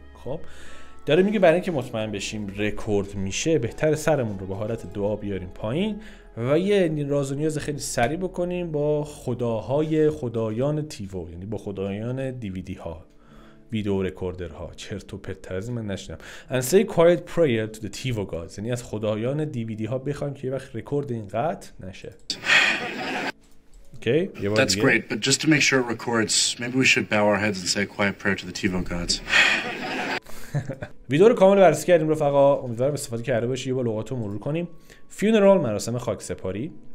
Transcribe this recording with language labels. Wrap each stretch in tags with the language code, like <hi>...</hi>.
<fa>خب داره میگه برای اینکه مطمئن بشیم رکورد میشه بهتر سرمون رو به حالت دعا بیاریم پایین و یه راز و نیاز خیلی سری بکنیم با خداهای خدایان تیوو، یعنی با خدایان DVD ها، ویدیو رکوردر ها. چرت و پرت تر از این من نشنم.</fa> <en>And say quiet prayer to the Tivo gods.</en> <fa>یعنی از خدایان DVD ها بخوایم که یه وقت رکورد این قطع نشه. Okay, یه بار دیگه.</fa> <en>That's great, but just to make sure it records, maybe we should bow our heads and say a quiet prayer to the Tivo gods.</en> <fa>ویدیو رو کامل بررسی کردیم رفقا، امیدوارم استفاده کرده باشی. یه بار لغات رو مرور کنیم. Funeral مراسم خاکسپاری.</fa>